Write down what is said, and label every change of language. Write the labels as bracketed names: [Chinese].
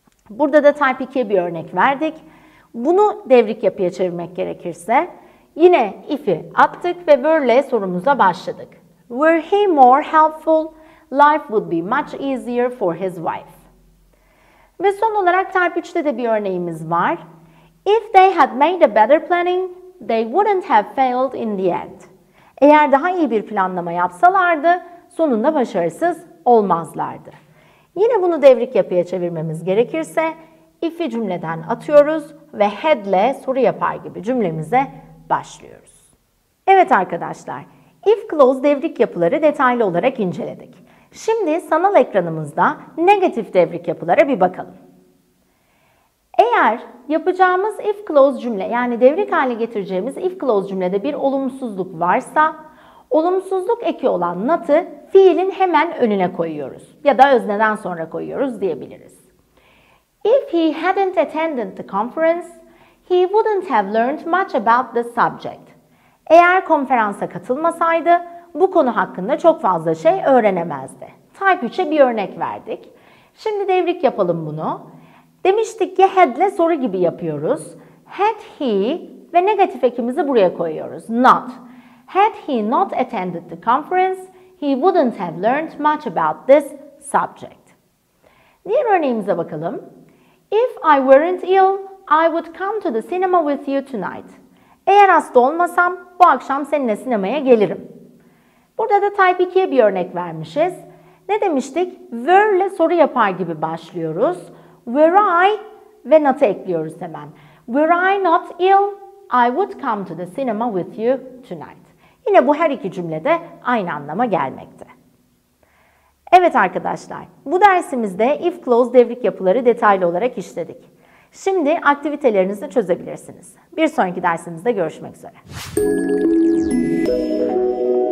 [Turkish] Burada da type 2'ye bir örnek verdik. Bunu devrik yapıya çevirmek gerekirse, yine if'i attık ve were'le sorumuza başladık. [English] Were he more helpful, life would be much easier for his wife. [Turkish] Ve son olarak type 3'te de bir örneğimiz var. [English] If they had made a better planning, they wouldn't have failed in the end. [Turkish] Eğer daha iyi bir planlama yapsalardı, sonunda başarısız olmazlardı. Yine bunu devrik yapıya çevirmemiz gerekirse, if'i cümleden atıyoruz ve had'le soru yapar gibi cümlemize başlıyoruz. Evet arkadaşlar, if clause devrik yapıları detaylı olarak inceledik. Şimdi sanal ekranımızda negatif devrik yapılara bir bakalım. Eğer yapacağımız if clause cümle, yani devrik hale getireceğimiz if clause cümlede bir olumsuzluk varsa, olumsuzluk eki olan not'ı fiilin hemen önüne koyuyoruz ya da özneden sonra koyuyoruz diyebiliriz. [English] If he hadn't attended the conference, he wouldn't have learned much about the subject. [Turkish] Eğer konferansa katılmasaydı, bu konu hakkında çok fazla şey öğrenemezdi. Type 3'e bir örnek verdik. Şimdi devrik yapalım bunu. Demiştik ki had'le soru gibi yapıyoruz. [English] Had he [Turkish] ve negatif ekimizi buraya koyuyoruz. Not. [English] Had he not attended the conference, he wouldn't have learned much about this subject. [Turkish] Diğer örneğimize bakalım. [English] If I weren't ill, I would come to the cinema with you tonight. [Turkish] Eğer hasta olmasam, bu akşam seninle sinemaya gelirim. Burada da type 2'ye bir örnek vermişiz. Ne demiştik? Were ile soru yapar gibi başlıyoruz. [English] Were I [Turkish] ve not'ı ekliyoruz hemen. [English] Were I not ill, I would come to the cinema with you tonight. [Turkish] Yine bu her iki cümlede aynı anlama gelmekte. Evet arkadaşlar, bu dersimizde if clause devrik yapıları detaylı olarak işledik. Şimdi aktivitelerinizi çözebilirsiniz. Bir sonraki dersimizde görüşmek üzere.